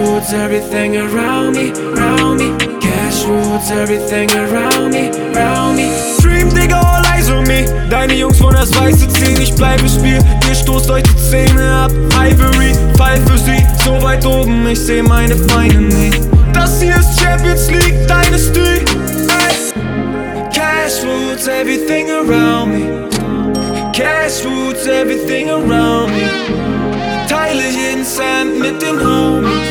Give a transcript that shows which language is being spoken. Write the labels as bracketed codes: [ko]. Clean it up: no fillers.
[en] Everything around me, around me. Cash rules everything around me, around me. Dream, Digga, all eyes on me. [de] Deine Jungs von das Weiße ziehen. Ich bleib im Spiel, ihr stoßt euch die Zähne ab. Ivory, Fall für sie. So weit oben, ich seh meine Feinde nicht. Das hier ist Champions League Dynasty, hey. [en] Cash rules everything around me. Cash rules everything around me. [de] Teile jeden Cent mit den Homies.